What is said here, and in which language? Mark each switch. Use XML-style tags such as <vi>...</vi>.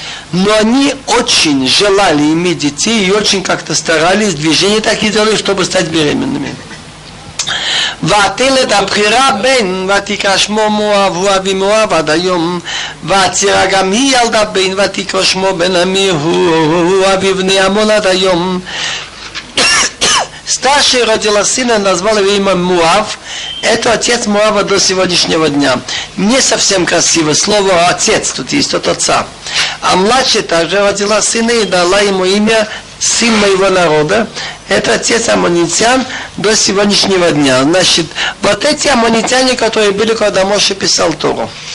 <ru>Но они очень желали иметь детей и очень как-то старались, движения так и делали, чтобы стать беременными.</ru> <he>ותלת הבחירה בן ותקרא שמו מואב הוא אבי מואב עד היום ועצירה גם היא ילדה בן ותקרא שמו בן עמי הוא אבי בני עמון עד היום</he> <ru>старший родила сына, назвал его имя Муав. Это отец Муава до сегодняшнего дня. Не совсем красиво слово «отец», тут есть от отца. А младшая также родила сына и дала ему имя «сын моего народа». Это отец аммонитян до сегодняшнего дня. Значит, вот эти аммонитяне, которые были, когда Моше писал Тору.</ru>